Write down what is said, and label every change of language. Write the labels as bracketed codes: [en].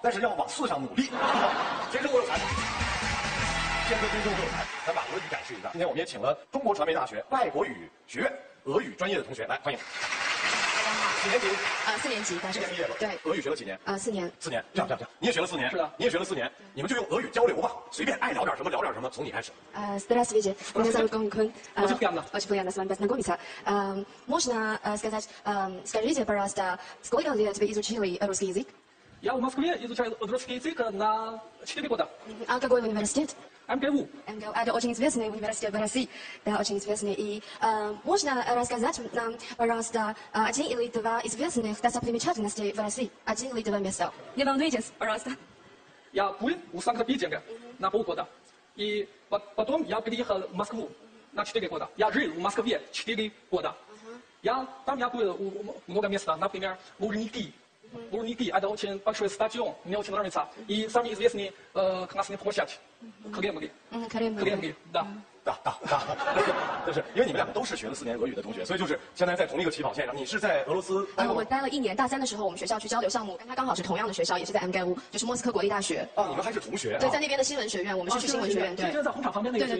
[zh] 但是要往四上努力。天生我有才，天生天生我有才，咱把逻辑展示一下。今天我们也请了中国传媒大学外国语学俄语专业的同学来，欢迎。大家好。几年级？四年级。今年毕业了。对。俄语学了几年？ 4年。 4年，这样，你也学了4年？是的。你也学了4年？你们就用俄语交流吧，随便爱聊点什么聊点什么，从你开始。 [ru] Здравствуйте, меня зовут Гон Кун. Очень приятно. Очень приятно с вами познакомиться. Можно сказать, скажите, пожалуйста, сколько лет тебе изучили русский язык? Я в Москве изучаю русский язык на 4 года. А какой университет? МГУ. МГУ. Это очень известный университет в России. Да, очень известный. И можно рассказать нам, пожалуйста, 1 или 2 известных достопримечательностей в России? 1 или 2 места? Не волнуйтесь, пожалуйста. Я был в Санкт-Петербурге на 2 года. И потом я приехал в Москву на 4 года. Я жил в Москве 4 года. Там я был в много места, например, в Лужники. В Лужники это очень большой стадион, мне очень нравится. И самый известный классный площадь – Кремль. Кремль, да. [zh] Да,就是因为你们两个都是学了4年俄语的同学，所以就是现在在同一个起跑线上。你是在俄罗斯？我待了1年，大三的时候我们学校去交流项目，跟他刚好是同样的学校，也是在 MGU， 就是莫斯科国立大学。哦，你们还是同学？对，在那边的新闻学院，我们是去新闻学院。对，就在红场旁边那个学院。